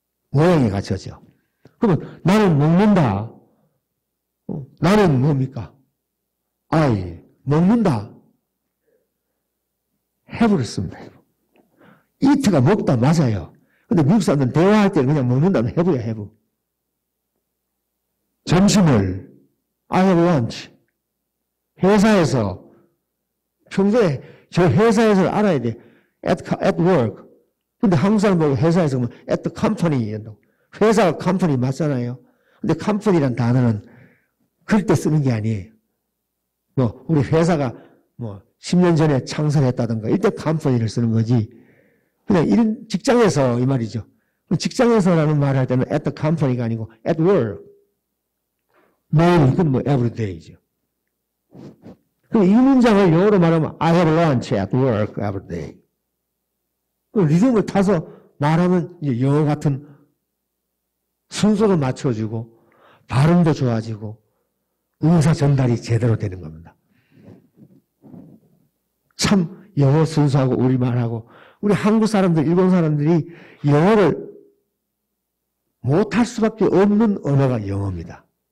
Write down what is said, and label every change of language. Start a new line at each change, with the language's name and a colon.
Korean: 모양이 갖춰져. 그러면 나는 먹는다. 나는 뭡니까? 아이. 먹는다. 해버렸습니다. 이트가 먹다 맞아요. 근데 미국 사람들은 대화할 때는 그냥 먹는다는 해부야, 해부.
English: 점심을, I have lunch.
Korean: 회사에서, 평소에, 저 회사에서 알아야 돼.
English: at work.
Korean: 근데 한국 사람 보고 회사에서 보면
English: at the company.
Korean: 회사가 company 맞잖아요. 근데 company란 단어는 그럴 때 쓰는 게 아니에요. 뭐, 우리 회사가, 뭐, 10년 전에 창설했다던가, 이때 컴퍼니를 쓰는 거지. 그냥 이런 직장에서 이 말이죠. 직장에서라는 말을 할 때는
English: at the company
Korean: 가 아니고
English: at work.
Korean: 매일, 그건 뭐 everyday죠. 그럼 이 문장을 영어로 말하면
English: I have lunch at work every day.
Korean: 그럼 리듬을 타서 말하면 이제 영어 같은 순서도 맞춰지고 발음도 좋아지고 의사 전달이 제대로 되는 겁니다. 참 영어 순수하고 우리말하고 우리 한국 사람들, 일본 사람들이 영어를 못할 수밖에 없는 언어가 영어입니다.